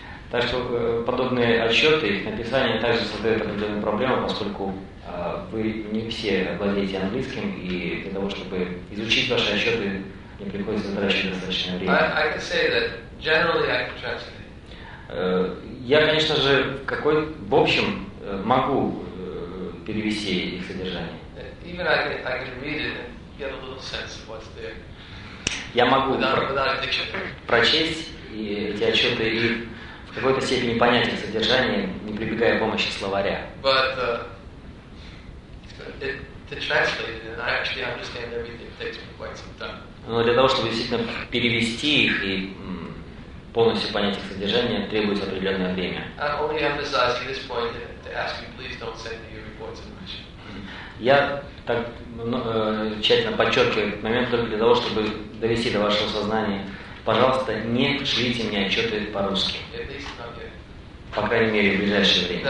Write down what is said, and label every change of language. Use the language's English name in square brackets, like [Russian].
[Russian] Так что подобные отчеты, их написание также создает определенную проблему, поскольку вы не все владеете английским, и для того, чтобы изучить ваши отчеты, мне приходится затрачивать достаточно времени. [English] I can say that generally I can translate. [Russian] Я, конечно же, в общем могу перевести их содержание. [English] Even I can read it and get a little sense of what's there. [Russian] Я могу прочесть эти отчеты и в какой-то степени понять их содержание, не прибегая к помощи словаря. [English] But, to translate it, and I actually understand everything, it takes me quite some time. [Russian] Но для того, чтобы действительно перевести их и полностью понять их содержание, требуется определенное время. [English] I'm only emphasizing this point to ask you, please don't send me your reports in Russian. [Russian] Я так тщательно подчеркиваю этот момент только для того, чтобы довести до вашего сознания, пожалуйста, не шлите мне отчеты по-русски. [English] At least not yet. [Russian] По крайней мере, в ближайшее время.